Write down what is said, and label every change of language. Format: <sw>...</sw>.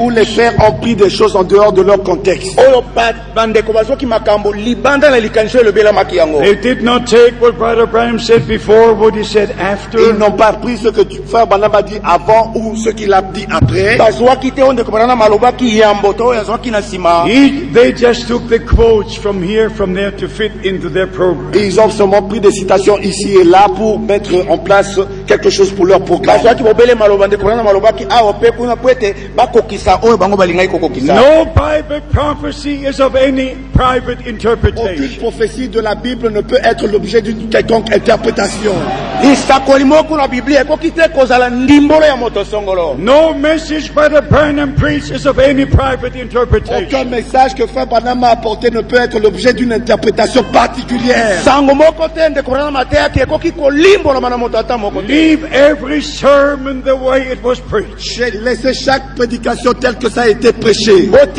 <fr>Où les frères ont pris des choses en dehors de leur contexte.</fr> <en>Ils did not take what Brother Branham said before, what he said after.</en> <fr>Ils n'ont pas pris ce que Frère Branham a dit avant ou ce qu'il a dit après.</fr> <en>They just took the quotes from here, from there to fit into their program.</en> <fr>Ils ont seulement pris des citations ici et là pour mettre en place quelque chose pour leur programme.</fr> <en>No Bible prophecy is of any private interpretation.</en> <fr>Aucune prophétie de la Bible ne peut être l'objet d'une quelconque interprétation.</fr> <en>No message Brother Branham preached is of any private interpretation.</en> <fr>Aucun message que Frère Branham a apporté ne peut être l'objet d'une interprétation particulière.</fr> <en>Leave every sermon the way it was preached.</en> <fr>Laissez chaque prédication telle que ça a été prêché.</fr>